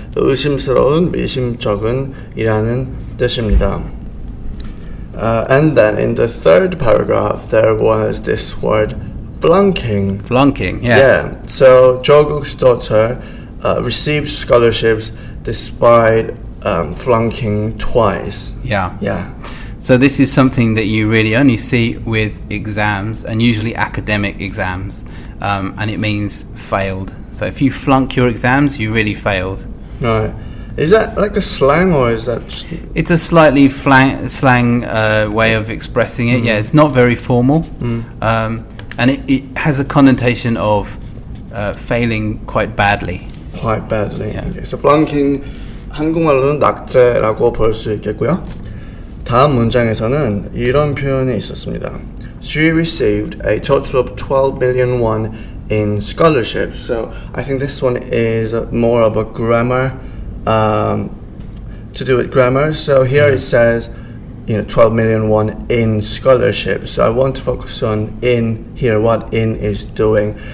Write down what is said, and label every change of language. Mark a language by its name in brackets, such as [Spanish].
[Korean] 의심스러운, 의심적인이라는 뜻입니다. [English] And then in the third paragraph, there was this word, flunking. Flunking, yes. Yeah. So, 조국's daughter received scholarships despite flunking twice. Yeah. Yeah. So this is something that you really only see with exams, and usually academic exams, and it means failed. So if you flunk your exams, you really failed. Right. Is that like a slang, or is that... It's a slightly slang way of expressing it. Mm. Yeah, it's not very formal. Mm. And it has a connotation of failing quite badly. Quite badly. Yeah. Okay. So flunking, [Korean] 한국말로는 낙제라고 볼 수 있겠고요. 다음 문장에서는 이런 표현이 있었습니다. [English] She received a total of 12 million won in scholarships. So I think this one is more of a grammar, to do with grammar. So here it says, you know, 12 million won in scholarships. So I want to focus on in here, what in is doing.